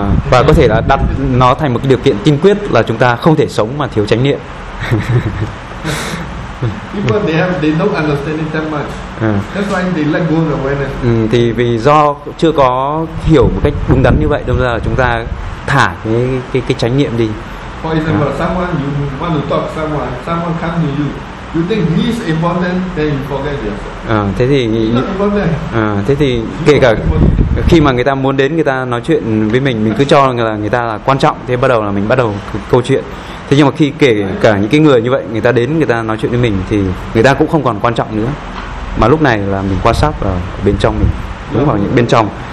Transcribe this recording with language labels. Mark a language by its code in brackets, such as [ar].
[vi] Và có thể là đặt nó thành một cái điều kiện tiên quyết là chúng ta không thể sống mà thiếu chánh niệm. [en] People they don't understand it that much. That's why they let go of awareness. [vi] Thì vì do chưa có hiểu một cách đúng đắn như vậy, đâm ra là chúng ta thả cái chánh niệm đi. [en] For example, someone you want to talk, someone come to you. You think he is important, then you forget yourself. [vi] Thế thì thế thì kể cả khi mà người ta muốn đến, người ta nói chuyện với mình cứ cho là người ta là quan trọng, thế bắt đầu là mình bắt đầu câu chuyện. Thế nhưng mà khi kể cả những cái người như vậy, người ta đến, người ta nói chuyện với mình thì người ta cũng không còn quan trọng nữa, mà lúc này là mình quan sát ở bên trong mình, đúng vào những bên trong.